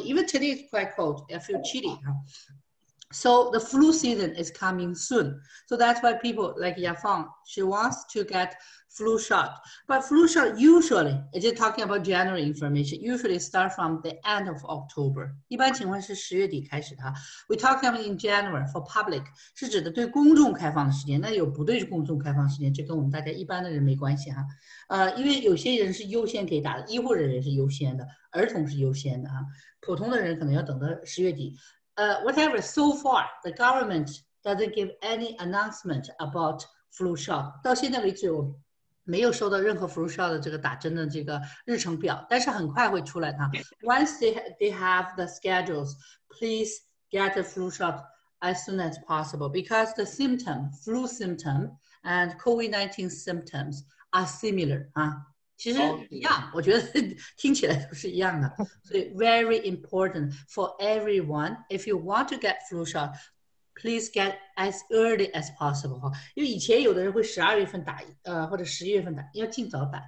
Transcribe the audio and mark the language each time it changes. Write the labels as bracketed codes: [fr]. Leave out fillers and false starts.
[en] Even today is quite cold. I feel chilly. So the flu season is coming soon. So that's why people like Yafang, she wants to get flu shot. But flu shot usually, it's just talking about general information, usually start from the end of October. [zh] 一般情况是十月底开始的。 [en] We talk about in January for public, [zh] 是指的对公众开放的时间。那有不对公众开放时间，这跟我们大家一般的人没关系哈。因为有些人是优先可以打的，医护人员是优先的，儿童是优先的哈。普通的人可能要等到十月底。 [en] Whatever, so far, the government doesn't give any announcement about flu shot. [zh] 到现在为止，我没有收到任何 flu shot 的这个打针的这个日程表，但是很快会出来的。 [en] Once they have the schedules, please get the flu shot as soon as possible because the symptom, flu symptom and COVID-19 symptoms are similar. [zh] 其实一样，我觉得听起来都是一样的。所以 [en] very important for everyone, if you want to get flu shot,Please get as early as possible. [zh] 因为以前有的人会12月份打，或者10月份打，要尽早打。